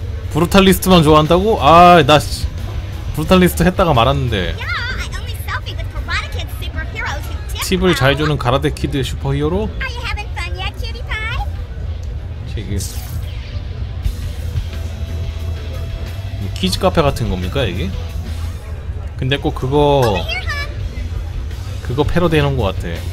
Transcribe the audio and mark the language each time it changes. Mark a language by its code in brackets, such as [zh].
[ko] 브루탈리스트만 좋아한다고? 아, 나 브루탈리스트 했다가 말았는데. [en] Yeah, I only selfie with karate kid superheroes who tip. [ko] 팁을 잘 주는 가라데 키드 슈퍼히어로? [en] Are you having fun yet, cutie pie? [ko] 재밌어. 키즈 카페 같은 겁니까 이게? 근데 꼭 그거 그거 패러디 해놓은 것 같아.